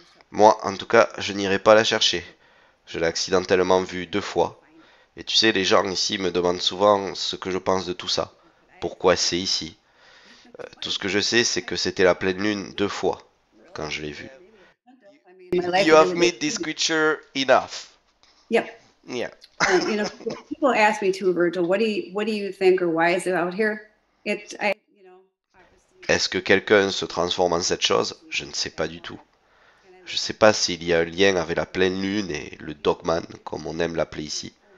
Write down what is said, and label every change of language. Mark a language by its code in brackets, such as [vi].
[fr] Moi, en tout cas, je n'irai pas la chercher. Je l'ai accidentellement vue deux fois. Et tu sais, les gens ici me demandent souvent ce que je pense de tout ça. Pourquoi c'est ici? Tout ce que je sais, c'est que c'était la pleine lune deux fois quand je l'ai vue. [en] You have made this creature enough. Yep. Yeah. You know, people ask me too, Virgil, what do you think or why is it out here? [fr] Est-ce que quelqu'un se transforme en cette chose? Je ne sais pas du tout. Je ne sais pas s'il y a un lien avec la pleine lune et le Dogman, comme on aime l'appeler ici.